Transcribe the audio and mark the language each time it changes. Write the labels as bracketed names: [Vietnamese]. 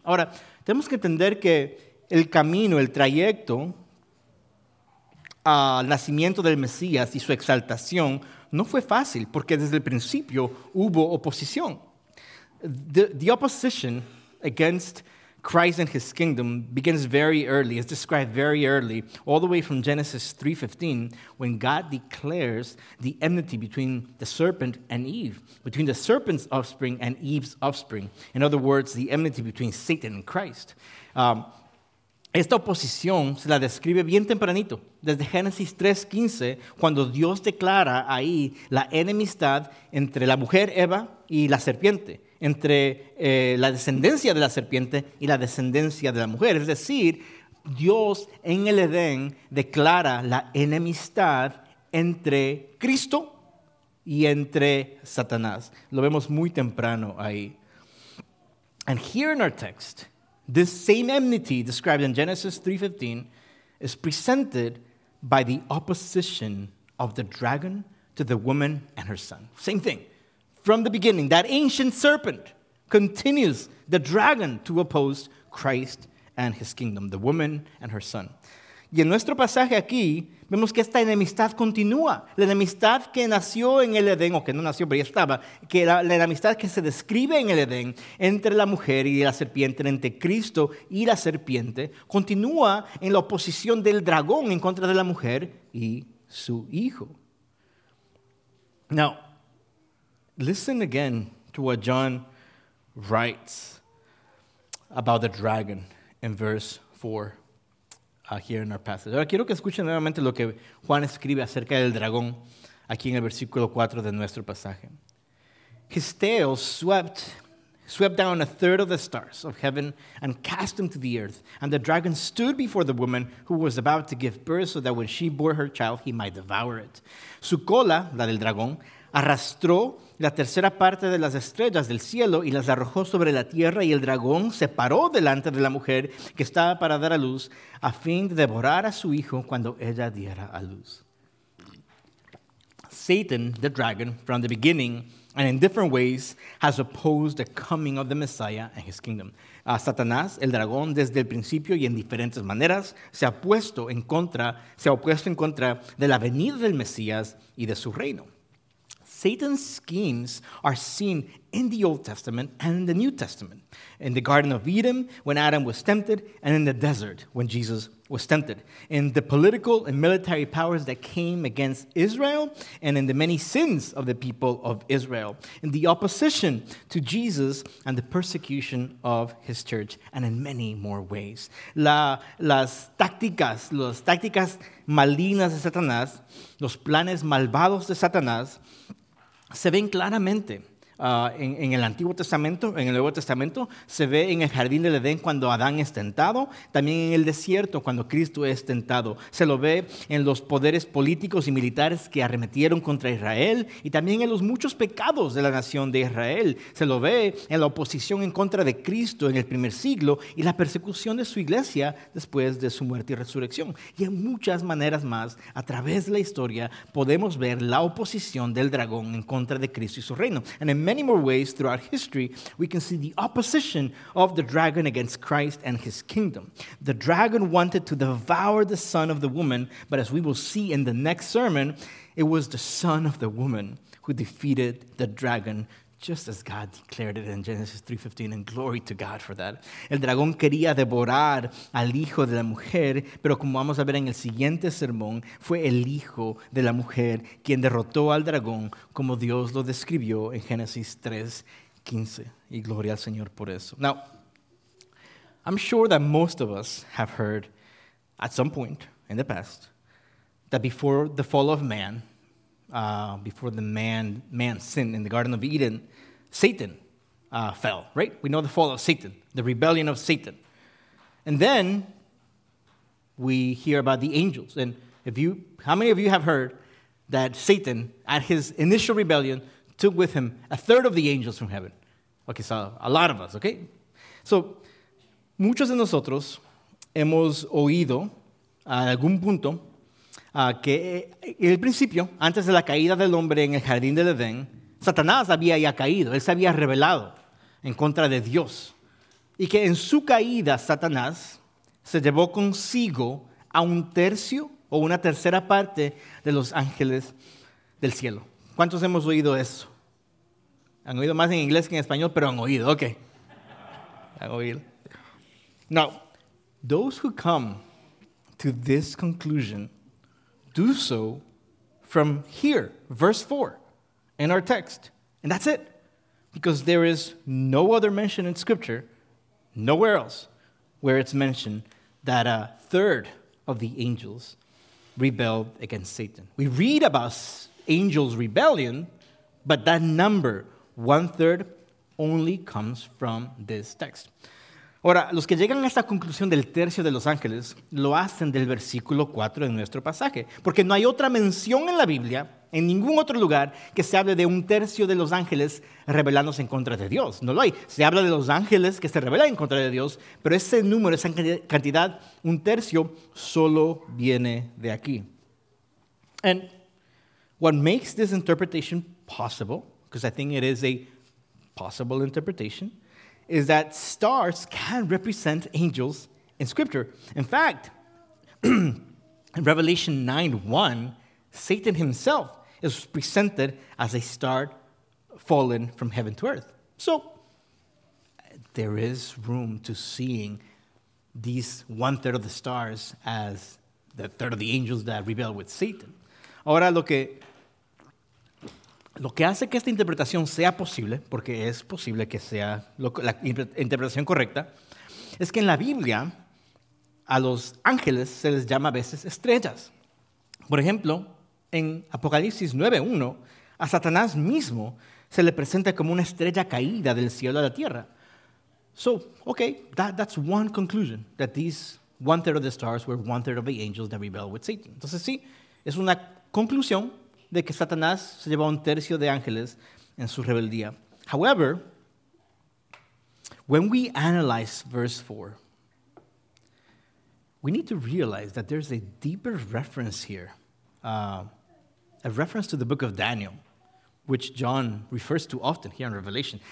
[Spanish] Ahora, tenemos que entender que el camino, el trayecto al nacimiento del Mesías y su exaltación no fue fácil, porque desde el principio hubo oposición. [English] The opposition against Christ and his kingdom begins very early. It's described very early, all the way from Genesis 3:15, when God declares the enmity between the serpent and Eve, between the serpent's offspring and Eve's offspring. In other words, the enmity between Satan and Christ. [Spanish] Esta oposición se la describe bien tempranito, desde Génesis 3:15, cuando Dios declara ahí la enemistad entre la mujer Eva y la serpiente, entre la descendencia de la serpiente y la descendencia de la mujer. Es decir, Dios en el Edén declara la enemistad entre Cristo y entre Satanás. Lo vemos muy temprano ahí. [English] And here in our text, this same enmity described in Genesis 3:15 is presented by the opposition of the dragon to the woman and her son. Same thing. From the beginning, that ancient serpent continues, the dragon, to oppose Christ and his kingdom, the woman and her son. [Spanish] Y en nuestro pasaje aquí, vemos que esta enemistad continúa. La enemistad que nació en el Edén, o que no nació, pero ya estaba, que la enemistad que se describe en el Edén entre la mujer y la serpiente, entre Cristo y la serpiente, continúa en la oposición del dragón en contra de la mujer y su hijo. [English] Now, listen again to what John writes about the dragon in verse 4 here in our passage. [Spanish] Ahora quiero que escuchen nuevamente lo que Juan escribe acerca del dragón aquí en el versículo 4 de nuestro pasaje. [English] His tail swept down a third of the stars of heaven and cast them to the earth. And the dragon stood before the woman who was about to give birth so that when she bore her child, he might devour it. [Spanish] Su cola, la del dragón, arrastró la tercera parte de las estrellas del cielo y las arrojó sobre la tierra, y el dragón se paró delante de la mujer que estaba para dar a luz a fin de devorar a su hijo cuando ella diera a luz. [English] Satan, the dragon, from the beginning and in different ways, has opposed the coming of the Messiah and his kingdom. [Spanish] Satanás, el dragón, desde el principio y en diferentes maneras, se ha opuesto en contra de la venida del Mesías y de su reino. [English] Satan's schemes are seen in the Old Testament and in the New Testament. In the Garden of Eden, when Adam was tempted, and in the desert, when Jesus was tempted. In the political and military powers that came against Israel, and in the many sins of the people of Israel. In the opposition to Jesus and the persecution of his church, and in many more ways. [Spanish] Las tácticas malignas de Satanás, los planes malvados de Satanás, se ven claramente en el Antiguo Testamento, en el Nuevo Testamento, se ve en el Jardín del Edén cuando Adán es tentado, también en el desierto cuando Cristo es tentado. Se lo ve en los poderes políticos y militares que arremetieron contra Israel y también en los muchos pecados de la nación de Israel. Se lo ve en la oposición en contra de Cristo en el primer siglo y la persecución de su iglesia después de su muerte y resurrección. Y en muchas maneras más, a través de la historia, podemos ver la oposición del dragón en contra de Cristo y su reino. [English] In many more ways throughout history, we can see the opposition of the dragon against Christ and his kingdom. The dragon wanted to devour the son of the woman, but as we will see in the next sermon, it was the son of the woman who defeated the dragon, just as God declared it in Genesis 3:15, and glory to God for that. [Spanish] El dragón quería devorar al hijo de la mujer, pero como vamos a ver en el siguiente sermón, fue el hijo de la mujer quien derrotó al dragón, como Dios lo describió en Genesis 3:15. Y gloria al Señor por eso. [English] Now, I'm sure that most of us have heard at some point in the past that before the fall of man, before man sinned in the Garden of Eden, Satan fell, right? We know the fall of Satan, the rebellion of Satan. And then we hear about the angels. And how many of you have heard that Satan, at his initial rebellion, took with him a third of the angels from heaven? Okay, so a lot of us, okay? [Spanish] So, muchos de nosotros hemos oído a algún punto que en el principio, antes de la caída del hombre en el jardín del Edén, Satanás había ya caído, él se había rebelado en contra de Dios. Y que en su caída, Satanás se llevó consigo a un tercio o una tercera parte de los ángeles del cielo. ¿Cuántos hemos oído eso? Han oído más en inglés que en español, pero han oído, ok. Han oído. [English] Now, those who come to this conclusion do so from here, verse 4, in our text. And that's it. Because there is no other mention in Scripture, nowhere else, where it's mentioned that a third of the angels rebelled against Satan. We read about angels' rebellion, but that number, one-third, only comes from this text. [Spanish] Ahora, los que llegan a esta conclusión del tercio de los ángeles lo hacen del versículo 4 de nuestro pasaje, porque no hay otra mención en la Biblia, en ningún otro lugar, que se hable de un tercio de los ángeles rebelándose en contra de Dios. No lo hay. Se habla de los ángeles que se rebelan en contra de Dios, pero ese número, esa cantidad, un tercio, solo viene de aquí. [English] And what makes this interpretation possible, because I think it is a possible interpretation, is that stars can represent angels in Scripture. In fact, in Revelation 9:1, Satan himself is presented as a star fallen from heaven to earth. So, there is room to seeing these one-third of the stars as the third of the angels that rebel with Satan. [Spanish] Ahora, lo que hace que esta interpretación sea posible, porque es posible que sea la interpretación correcta, es que en la Biblia a los ángeles se les llama a veces estrellas. Por ejemplo, en Apocalipsis 9:1, a Satanás mismo se le presenta como una estrella caída del cielo a la tierra. [English] So, okay, that's one conclusion, that these one-third of the stars were one-third of the angels that rebelled with Satan. [Spanish] Entonces, sí, es una conclusión de que Satanás se llevó un tercio de ángeles en su rebeldía. [English] However, when we analyze verse 4, we need to realize that there's a deeper reference here, a reference to the book of Daniel, which John refers to often here in Revelation.